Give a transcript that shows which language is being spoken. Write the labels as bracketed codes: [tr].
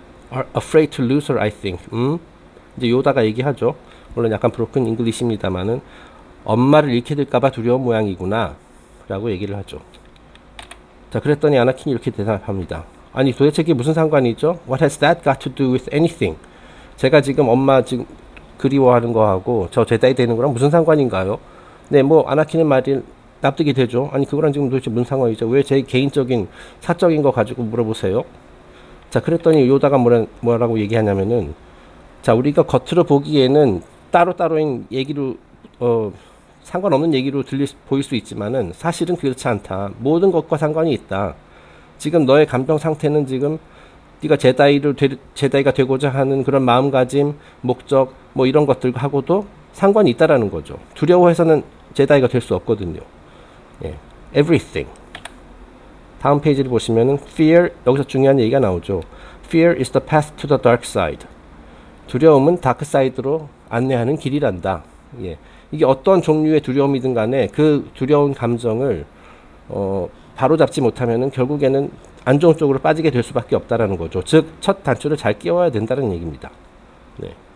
[en] Are afraid to lose her, I think. [ko] 이제 요다가 얘기하죠. 물론 약간 브로큰 잉글리시입니다만은 엄마를 잃게 될까봐 두려운 모양이구나 라고 얘기를 하죠. 자, 그랬더니 아나킨이 이렇게 대답합니다. 아니 도대체 이게 무슨 상관이죠? [en] What has that got to do with anything? [ko] 제가 지금 엄마 지금 그리워하는 거하고 저 제다이 되는 거랑 무슨 상관인가요? 네, 뭐 아나킨의 말이 납득이 되죠. 아니 그거랑 지금 도대체 무슨 상관이죠? 왜제 개인적인 사적인 거 가지고 물어보세요? 자, 그랬더니 요다가 뭐라고 얘기하냐면은, 자, 우리가 겉으로 보기에는 따로따로인 얘기로 상관없는 얘기로 보일 수 있지만은 사실은 그렇지 않다. 모든 것과 상관이 있다. 지금 너의 감정 상태는 지금 네가 제다이가 되고자 하는 그런 마음가짐, 목적, 뭐 이런 것들하고도 상관이 있다라는 거죠. 두려워해서는 제다이가 될수 없거든요. [en] 예. Everything. [ko] 다음 페이지를 보시면은 fear, 여기서 중요한 얘기가 나오죠. [en] Fear is the path to the dark side. [ko] 두려움은 다크 사이드로 안내하는 길이란다. 예. 이게 어떤 종류의 두려움이든 간에 그 두려운 감정을 바로잡지 못하면은 결국에는 안 좋은 쪽으로 빠지게 될 수밖에 없다라는 거죠. 즉, 첫 단추를 잘 끼워야 된다는 얘기입니다. 네.